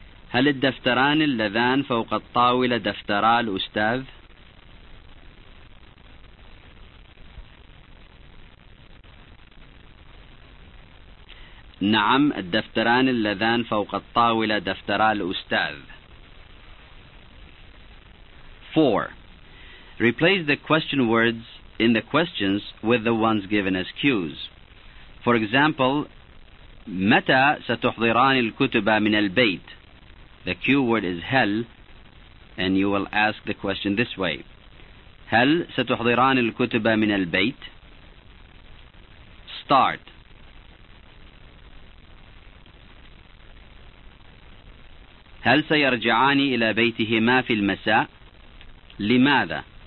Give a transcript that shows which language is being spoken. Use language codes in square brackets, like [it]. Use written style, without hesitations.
[ar] هل الدفتران اللذان فوق الطاولة دفترا الأستاذ؟ نعم، الدفتران اللذان فوق الطاولة دفترا الأستاذ. [en] 4. Replace the question words in the questions with the ones given as cues. For example, [ar] متى ستحضران الكتب من البيت? [en] The cue word is هل, and you will ask the question this way. [ar] هل ستحضران الكتب من البيت? [en] Start. [ar] هل سيرجعان إلى بيتهما في المساء? لماذا?